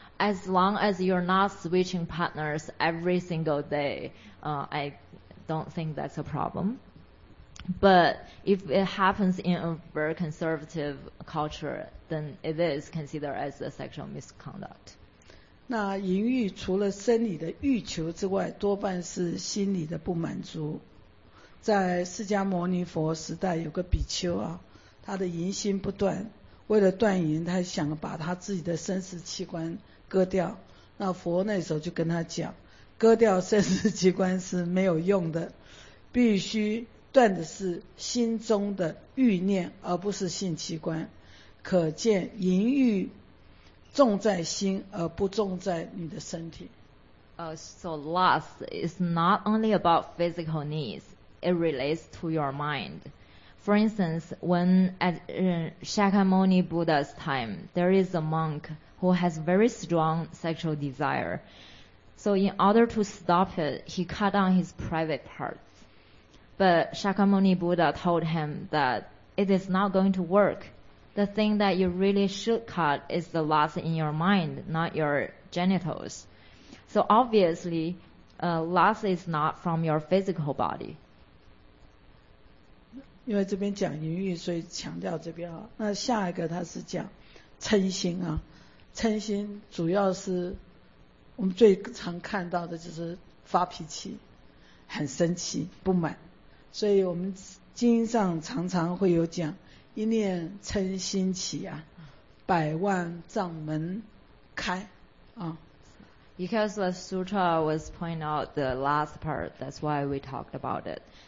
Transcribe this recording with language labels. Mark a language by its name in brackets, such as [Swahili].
[English] As long as you're not switching partners every single day, I don't think that's a problem. But if it happens in a very conservative culture, then it is considered as a sexual misconduct. [Chinese] 那淫欲除了生理的欲求之外，多半是心理的不满足。在释迦牟尼佛时代，有个比丘啊，他的淫心不断，为了断淫，他想把他自己的生殖器官割掉。那佛那时候就跟他讲，割掉生殖器官是没有用的，必须断的是心中的欲念，而不是性器官。可见淫欲重在心，而不重在你的身体。 [English] So lust is not only about physical needs. It relates to your mind. For instance, when at Shakyamuni Buddha's time, there is a monk who has very strong sexual desire. So in order to stop it, he cut down his private parts. But Shakyamuni Buddha told him that it is not going to work. The thing that you really should cut is the lust in your mind, not your genitals. So obviously, lust is not from your physical body. [Chinese] 因为这边讲淫欲，所以强调这边啊。那下一个他是讲嗔心啊，嗔心主要是我们最常看到的就是发脾气，很生气不满。所以我们经上常常会有讲，一念嗔心起啊，百万障门开啊。 [English] Because the sutra was pointing out the last part, that's why we talked about it.